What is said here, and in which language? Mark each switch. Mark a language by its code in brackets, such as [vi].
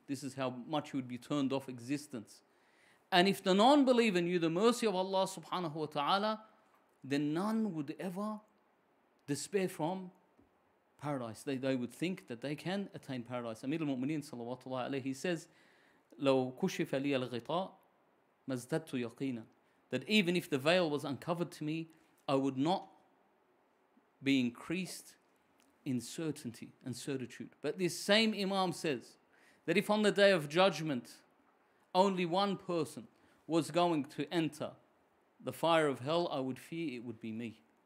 [en] This is how much he would be turned off existence. And if the non-believer knew the mercy of Allah subhanahu wa ta'ala, then none would ever despair from paradise. They would think that they can attain paradise. Amir al-Mu'mineen, salawatullahi alayhi, he says [ar] لو كشف لي الغطاء ما ازددت يقينا. [en] That even if the veil was uncovered to me, I would not be increased in certainty and certitude. But this same Imam says that if on the day of judgment only one person was going to enter the fire of hell, I would fear it would be me.